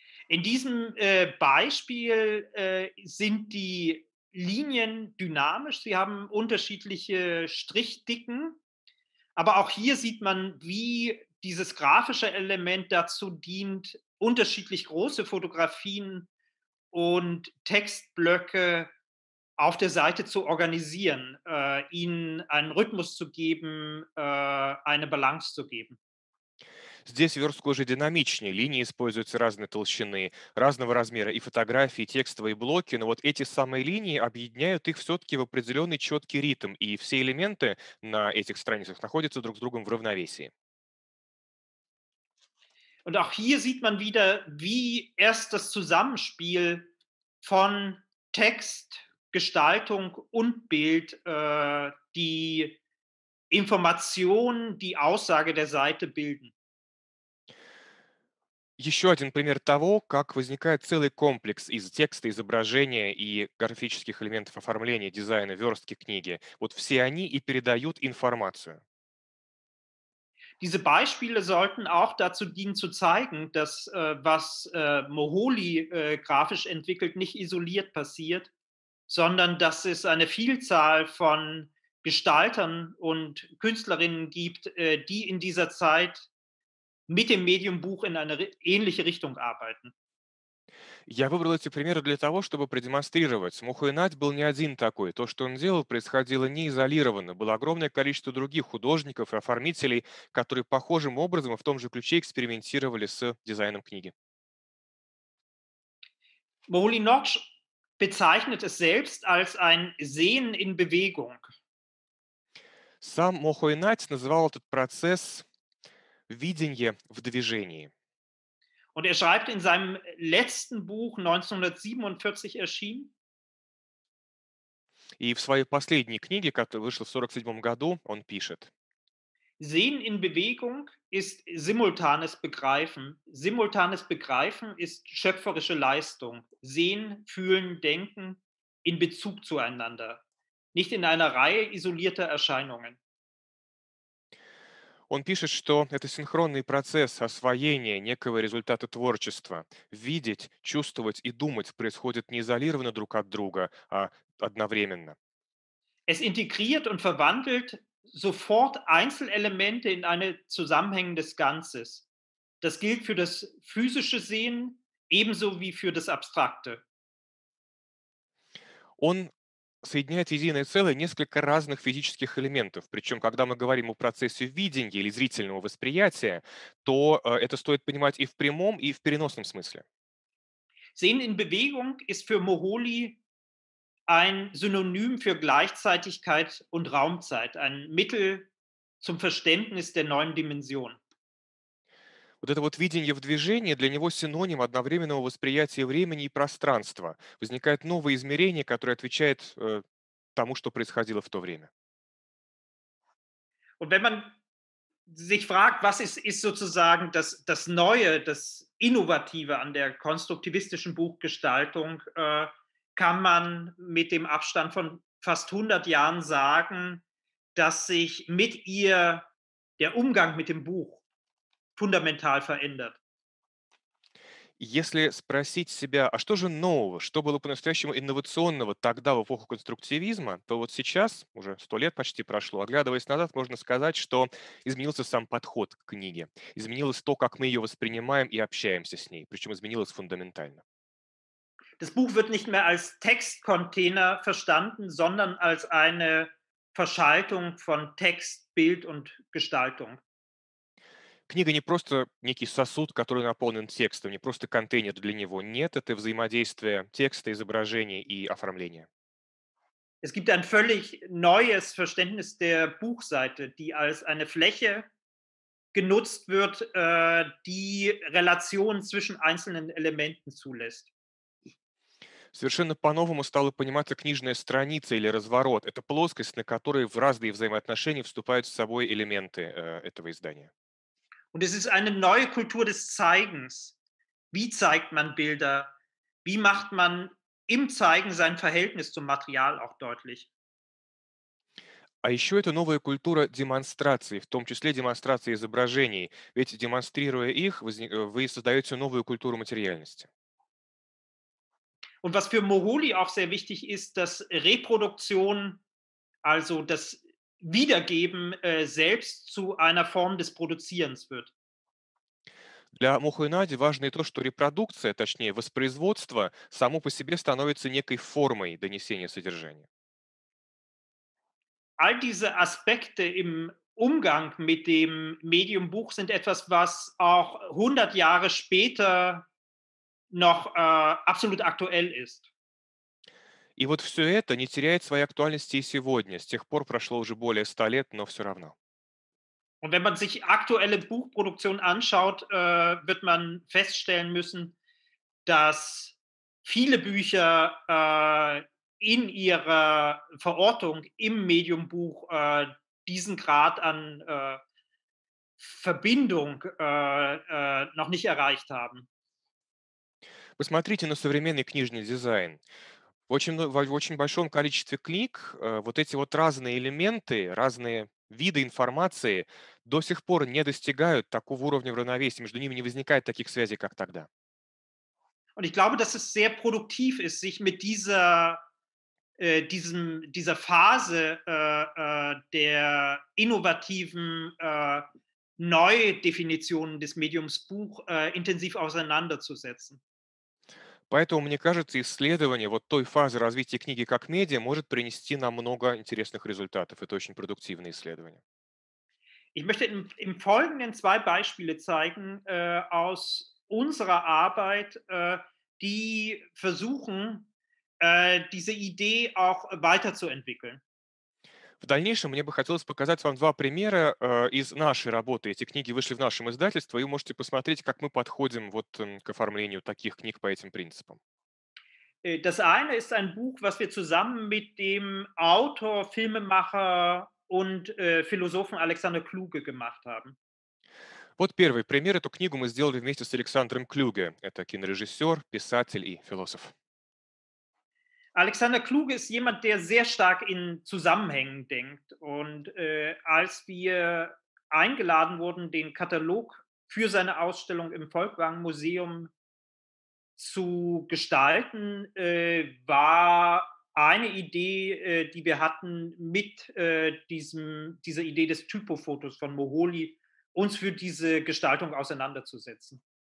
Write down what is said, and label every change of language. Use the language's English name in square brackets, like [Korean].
[German] In diesem Beispiel sind die Linien dynamisch. Sie haben unterschiedliche Strichdicken. Aber auch hier sieht man, wie dieses grafische Element dazu dient, unterschiedlich große Fotografien und Textblöcke auf der Seite zu organisieren, ihnen einen Rhythmus zu geben, eine Balance zu geben. [Russian] Здесь верстка уже динамичнее, линии используются разной толщины, разного размера, и фотографии, и текстовые блоки, но вот эти самые линии объединяют их все-таки в определенный четкий ритм, и все элементы на этих страницах находятся друг с другом в равновесии. [German] Und auch hier sieht man wieder, wie erst das Zusammenspiel von Text, Gestaltung und Bild die Information, die Aussage der Seite bilden. [Russian] Еще один пример того, как возникает целый комплекс из текста, изображения и графических элементов оформления, дизайна, верстки книги. Вот все они и передают информацию. [German] Diese Beispiele sollten auch dazu dienen zu zeigen, dass was Moholy grafisch entwickelt, nicht isoliert passiert, sondern dass es eine Vielzahl von Gestaltern und Künstlerinnen gibt, die in dieser Zeit mit dem Medium-Buch in eine ähnliche Richtung arbeiten. [Russian] Я выбрал эти примеры для того, чтобы продемонстрировать. Мухойнат был не один такой. То, что он делал, происходило не изолированно. Было огромное количество других художников и оформителей, которые похожим образом и в том же ключе экспериментировали с дизайном книги. [German] Moholy Nagy bezeichnet es selbst als ein Sehen in Bewegung. [Russian] Сам Мухойнат называл этот процесс «видение в движении». [German] Und er schreibt in seinem letzten Buch, 1947 erschienen. [Russian] И в своей последней книге, которая вышла в 47 году, он пишет. [German] Sehen in Bewegung ist simultanes Begreifen. Simultanes Begreifen ist schöpferische Leistung. Sehen, fühlen, denken in Bezug zueinander. Nicht in einer Reihe isolierter Erscheinungen. [Russian] Он пишет, что это синхронный процесс освоения некого результата творчества. Видеть, чувствовать и думать происходит не изолированно друг от друга, а одновременно. [German] Es integriert und verwandelt sofort Einzelelemente in eine Zusammenhänge des Ganzes. Das gilt für das physische Sehen ebenso wie für das Abstrakte. [Russian] Он соединяет единое целое несколько разных физических элементов. Причем, когда мы говорим о процессе видения или зрительного восприятия, то это стоит понимать и в прямом, и в переносном смысле. [German] Sehen in Bewegung ist für Moholy ein Synonym für Gleichzeitigkeit und Raumzeit, ein Mittel zum Verständnis der neuen Dimension. [Russian] Вот это вот видение в движении для него синоним одновременного восприятия времени и пространства. Возникает новое измерение, которое отвечает тому, что происходило в то время. [German] Und wenn man sich fragt, was ist sozusagen das Neue, das Innovative an der konstruktivistischen Buchgestaltung, kann man mit dem Abstand von fast 100 Jahren sagen, dass sich mit ihr der Umgang mit dem Buch [Russian] фундаментально [German] verändert. [Russian] Если спросить себя, а что же нового, что было по-настоящему инновационного тогда в эпоху конструктивизма, то вот сейчас, уже 100 лет почти прошло, оглядываясь назад, можно сказать, что изменился сам подход к книге. Изменилось то, как мы ее воспринимаем и общаемся с ней. Причем изменилось фундаментально. [German] Das Buch wird nicht mehr als Textcontainer verstanden, sondern als eine Verschaltung von Text, Bild und Gestaltung. [Russian] Книга не просто некий сосуд, который наполнен текстом, не просто контейнер для него. Нет, это взаимодействие текста, изображения и оформления. [German] Es gibt ein völlig neues Verständnis der Buchseite, die als eine Fläche genutzt wird, die Relation zwischen einzelnen Elementen zulässt. [Russian] Совершенно по-новому стала пониматься книжная страница или разворот. Это плоскость, на которой в разные взаимоотношения вступают с собой элементы этого издания. [German] Und es ist eine neue Kultur des Zeigens. Wie zeigt man Bilder? Wie macht man im Zeigen sein Verhältnis zum Material auch deutlich? [Russian] А еще это новая культура демонстрации, в том числе демонстрации изображений. Ведь демонстрируя их, вы создаете новую культуру материальности. [German] Und was für Moholy auch sehr wichtig ist, dass Reproduktion, also das Wiedergeben selbst zu einer Form des Produzierens wird. [Russian] Для Мухойнати важно и то, что репродукция, точнее воспроизводство, само по себе становится некой формой донесения содержания. [German] All diese Aspekte im Umgang mit dem Medium Buch sind etwas, was auch 100 Jahre später noch absolut aktuell ist. [Russian] И вот все это не теряет своей актуальности и сегодня. С тех пор прошло уже более 100 лет, но все равно. [German] Und wenn man sich aktuelle Buchproduktion anschaut, wird man feststellen müssen, dass viele Bücher in ihrer Verortung im Medium Buch diesen Grad an Verbindung noch nicht erreicht haben. [Russian] Посмотрите на современный книжный дизайн. В очень большом количестве книг вот эти вот разные элементы, разные виды информации до сих пор не достигают такого уровня равновесия, между ними не возникает таких связей, как тогда. [German] Und ich glaube, dass es sehr produktiv ist, sich mit dieser Phase der innovativen Neudefinitionen des Mediums Buch intensiv auseinanderzusetzen. [Russian] Поэтому, мне кажется, исследование вот той фазы развития книги как медиа может принести нам много интересных результатов. Это очень продуктивное исследование. [German] Ich möchte im Folgenden zwei Beispiele zeigen aus unserer Arbeit, die versuchen, diese Idee auch weiterzuentwickeln. [Russian] В дальнейшем мне бы хотелось показать вам два примера из нашей работы. Эти книги вышли в нашем издательстве, и вы можете посмотреть, как мы подходим вот к оформлению таких книг по этим принципам. [German] Das eine ist ein Buch, was wir zusammen mit dem Autor, Filmemacher und Philosophen Alexander Kluge gemacht haben. [Russian] Вот первый пример. Эту книгу мы сделали вместе с Александром Клюге. Это кинорежиссер, писатель и философ. [German] Alexander Kluge ist jemand, der sehr stark in Zusammenhängen denkt. Und als wir eingeladen wurden, den Katalog für seine Ausstellung im Folkwang Museum zu gestalten, war eine Idee, die wir hatten, mit dieser Idee des Typofotos von Moholy uns für diese Gestaltung auseinanderzusetzen.